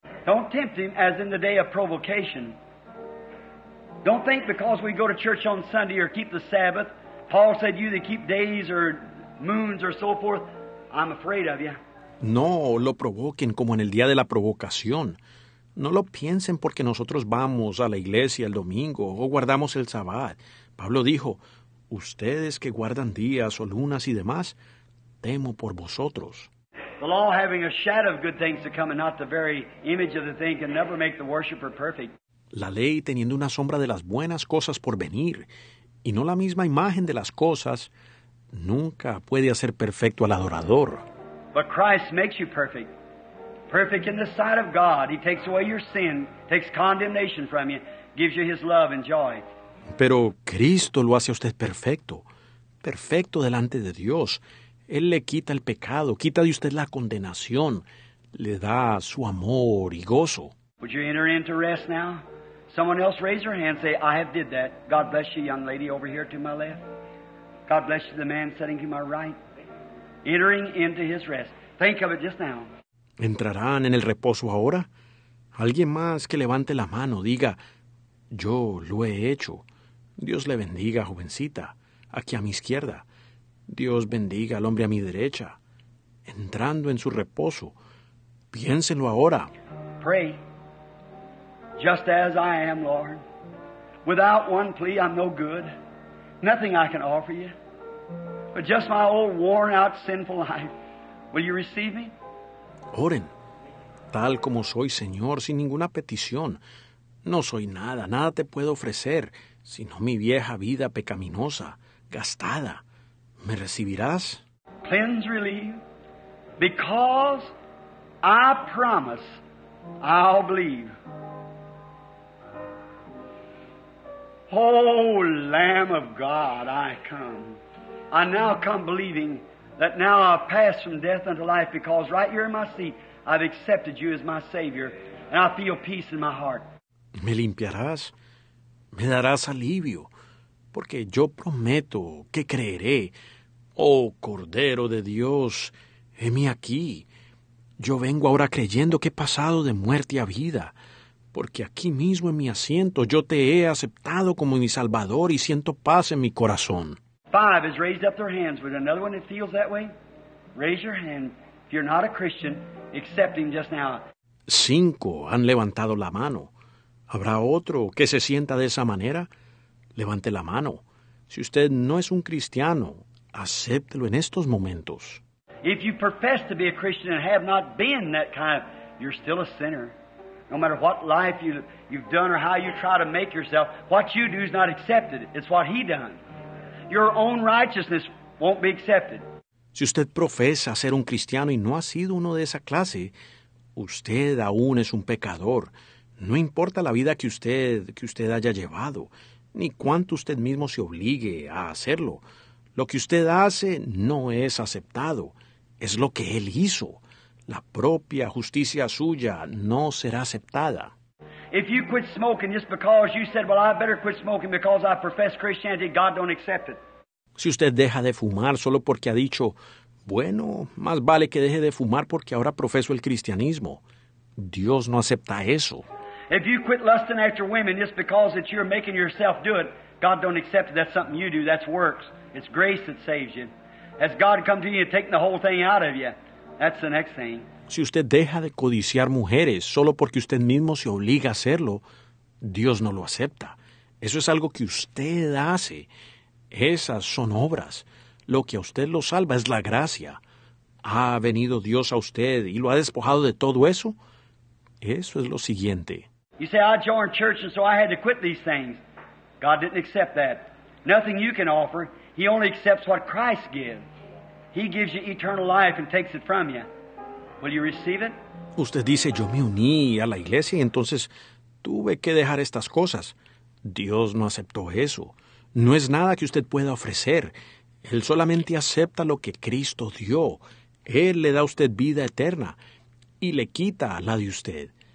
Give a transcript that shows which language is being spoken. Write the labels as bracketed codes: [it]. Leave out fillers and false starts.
[en] Don't tempt him as in the day of provocation. Don't think because we go to church on Sunday or keep the Sabbath, Paul said you that keep days or moons or so forth, I'm afraid of you. [es] No lo provoquen como en el día de la provocación. No lo piensen porque nosotros vamos a la iglesia el domingo o guardamos el sabbat. Pablo dijo, ustedes que guardan días o lunas y demás, temo por vosotros. [en] The law having a shadow of good things to come and not the very image of the thing can never make the worshiper perfect. [es] La ley teniendo una sombra de las buenas cosas por venir y no la misma imagen de las cosas, nunca puede hacer perfecto al adorador. [en] But Christ makes you perfect. Perfect in the sight of God. He takes away your sin, takes condemnation from you, gives you His love and joy. [es] Pero Cristo lo hace a usted perfecto, perfecto delante de Dios. Él le quita el pecado, quita de usted la condenación, le da su amor y gozo. [en] Would you enter into rest now? Someone else raise your hand and say, I have did that. God bless you, young lady over here to my left. God bless you, the man sitting to my right. Entering into his rest. Think of it just now. [es] ¿Entrarán en el reposo ahora? Alguien más que levante la mano, diga, yo lo he hecho. Dios le bendiga, jovencita, aquí a mi izquierda. Dios bendiga al hombre a mi derecha. Entrando en su reposo, piénselo ahora. [en] Pray, just as I am, Lord. Without one plea, I'm no good. Nothing I can offer you. But just my old worn out sinful life. Will you receive me? [es] Oren, tal como soy, Señor, sin ninguna petición. No soy nada, nada te puedo ofrecer, sino mi vieja vida pecaminosa, gastada. ¿Me recibirás? [en] Cleanse, relieve, because I promise I'll believe. Oh, Lamb of God, I come. I now come believing that now I've passed from death unto life, because right here in my seat, I've accepted you as my Savior, and I feel peace in my heart. [es] ¿Me limpiarás? ¿Me darás alivio? Porque yo prometo que creeré. Oh, Cordero de Dios, heme aquí. Yo vengo ahora creyendo que he pasado de muerte a vida, porque aquí mismo en mi asiento yo te he aceptado como mi Salvador y siento paz en mi corazón. [en] Five has raised up their hands. Would another one that feels that way? Raise your hand if you're not a Christian, accepting just now. [es] 5 han levantado la mano. ¿Habrá otro que se sienta de esa manera? Levante la mano. Si usted no es un cristiano, acéptelo en estos momentos. [en] If you profess to be a Christian and have not been that kind, you're still a sinner. No matter what life you've done or how you try to make yourself, what you do is not accepted. It's what he done. Your own righteousness won't be accepted. [es] Si usted profesa ser un cristiano y no ha sido uno de esa clase, usted aún es un pecador. No importa la vida que usted haya llevado, ni cuánto usted mismo se obligue a hacerlo. Lo que usted hace no es aceptado. Es lo que él hizo. La propia justicia suya no será aceptada. [en] If you quit smoking just because you said, well, I better quit smoking because I profess Christianity, God don't accept it. [es] Si usted deja de fumar solo porque ha dicho, bueno, más vale que deje de fumar porque ahora profeso el cristianismo, Dios no acepta eso. [en] If you quit lusting after women just because that you're making yourself do it, God don't accept it. That's something you do. That's works. It's grace that saves you. Has God come to you and taken the whole thing out of you? That's the next thing. [es] Si usted deja de codiciar mujeres solo porque usted mismo se obliga a hacerlo, Dios no lo acepta. Eso es algo que usted hace. Esas son obras. Lo que a usted lo salva es la gracia. ¿Ha venido Dios a usted y lo ha despojado de todo eso? Eso es lo siguiente. [en] You say, I joined church and so I had to quit these things. God didn't accept that. Nothing you can offer. He only accepts what Christ gives. He gives you eternal life and takes it from you. Will you receive it? [es] Usted dice, yo me uní a la iglesia y entonces tuve que dejar estas cosas. Dios no aceptó eso. No es nada que usted pueda ofrecer. Él solamente acepta lo que Cristo dio. Él le da a usted vida eterna y le quita la de usted.